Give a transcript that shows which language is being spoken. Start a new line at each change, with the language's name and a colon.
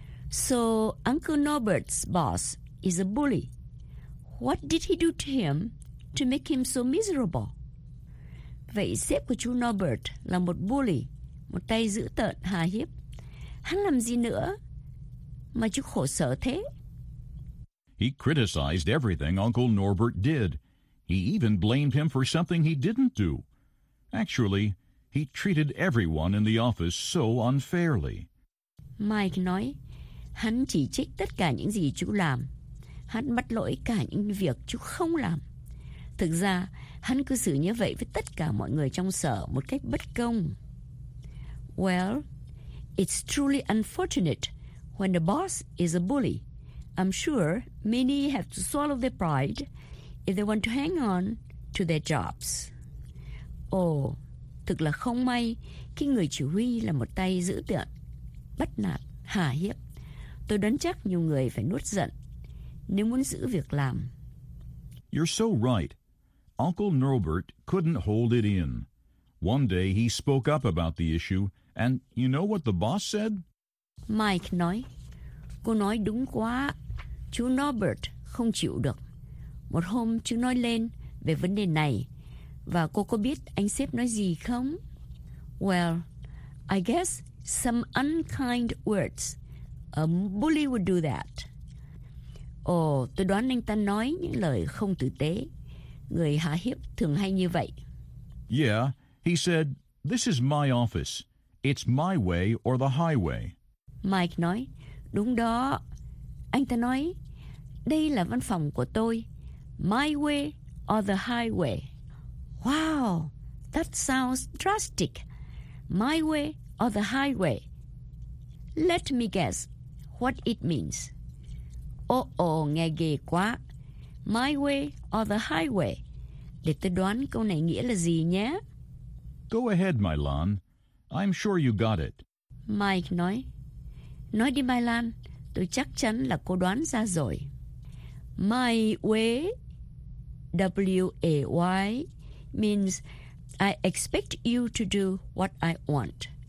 English: So, Uncle Norbert's boss is a bully. What did he do to him to make him so miserable?
Vietnamese: Vậy sếp của chú Norbert là một bully, một tay dữ tợn, hà hiếp. Hắn làm gì nữa mà chú khổ sở thế?
English: He criticized everything Uncle Norbert did. He even blamed him for something he didn't do. Actually, he treated everyone in the office so unfairly.
Vietnamese: Mike nói, hắn chỉ trích tất cả những gì chú làm. Hắn bắt lỗi cả những việc chú không làm. Thực ra, hắn cư xử như vậy với tất cả mọi người trong sở một cách bất công.
English: Well, it's truly unfortunate when the boss is a bully. I'm sure many have to swallow their pride if they want to hang on to their jobs.
Vietnamese: Oh, thực là không may khi người chỉ huy là một tay dữ tợn, bắt nạt, hà hiếp. Tôi đoán chắc nhiều người phải nuốt giận nếu muốn giữ việc làm.
English: You're so right. Uncle Norbert couldn't hold it in. One day he spoke up about the issue, and you know what the boss said?
Vietnamese: Mike nói, cô nói đúng quá. Chú Norbert không chịu được. Một hôm chú nói lên về vấn đề này, và cô có biết anh sếp nói gì không?
English: Well, I guess some unkind words. A bully would do that.
Vietnamese: Oh, tôi đoán anh ta nói những lời không tử tế. Người hà hiếp thường hay như vậy.
English: Yeah, he said, this is my office. It's my way or the highway.
Vietnamese: Mike nói, đúng đó. Anh ta nói, đây là văn phòng của tôi.
English: My way or the highway. Wow, that sounds drastic. My way or the highway. Let me guess what it means.
Vietnamese: Oh, nghe ghê quá.
English: My way or the highway.
Vietnamese: Để tôi đoán câu này nghĩa là gì nhé.
English: Go ahead, Mylan. I'm sure you got it.
Vietnamese: Mike nói. Nói đi, Mylan. Tôi chắc chắn là cô đoán ra rồi.
English: My way, W-A-Y, means I expect you to do what I want.